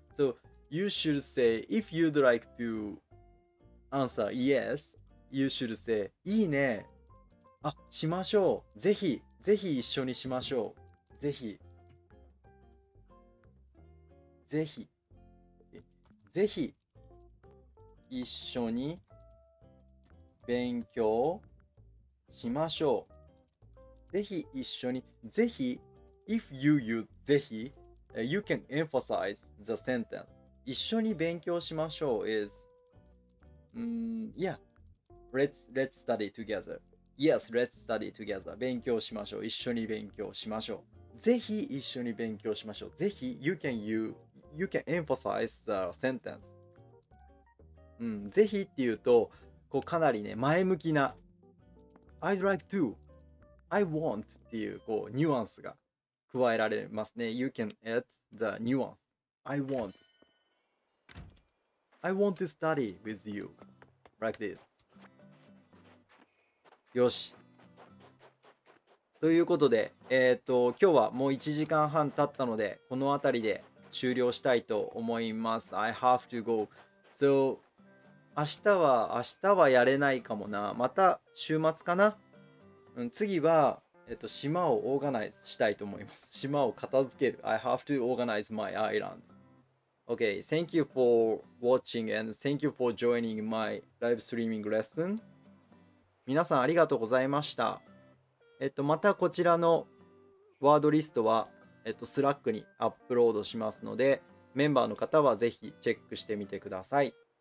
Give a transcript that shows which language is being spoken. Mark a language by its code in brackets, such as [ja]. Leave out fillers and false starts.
[en] So you should say If you'd like to answer yes, you should say [ja] いいね。あ、しましょう。ぜひぜひ一緒にしましょう。ぜひぜひぜひ一緒に勉強しましょう。ぜひ一緒に、ぜひ、 [en] if you use ぜひ、you can emphasize the sentence。 [ja] 一緒に勉強しましょう [en] is、yeah, let's study together. Yes, let's study together. [ja] 勉強しましょう。一緒に勉強しましょう。ぜひ一緒に勉強しましょう。ぜひ、 [en] you can you can emphasize the sentence、 [ja] ぜひっていうと、こうかなりね、前向きな [en] I'd like to、 I want [ja] っていう、こうニュアンスが加えられますね。 [en] You can add the nuance。 I want、 I want to study with you like this。 [ja] よし、ということで、今日はもう1時間半経ったので、このあたりで終了したいと思います。 [en] I have to go. [ja] So, 明日はやれないかもな。また週末かな。次は、島をオーガナイズしたいと思います。島を片付ける。 [en] I have to organize my island. Okay, thank you for watching and thank you for joining my live streaming lesson. [ja] 皆さんありがとうございました。またこちらのワードリストはスラックにアップロードしますので、メンバーの方はぜひチェックしてみてください。